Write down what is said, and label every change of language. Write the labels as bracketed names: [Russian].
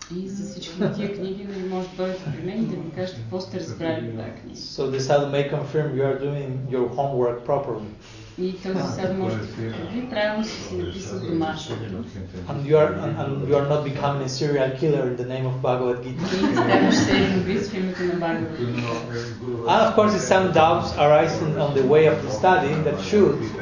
[Bulgarian] И за всички тия книги може да дойдете при мен и да ми кажете какво сте разбрали от тази книга. [English] So the sadhu may confirm you are doing your homework properly. [Bulgarian] И този sadhu може да потвърди, правилно си си написал домашното. [English] And you are not becoming a serial killer in the name of Bhagavad Gita. [Bulgarian] И ставаш серийен убийц в името на Bhagavad Gita. [English] And of course, some doubts arise on the way of the study that should.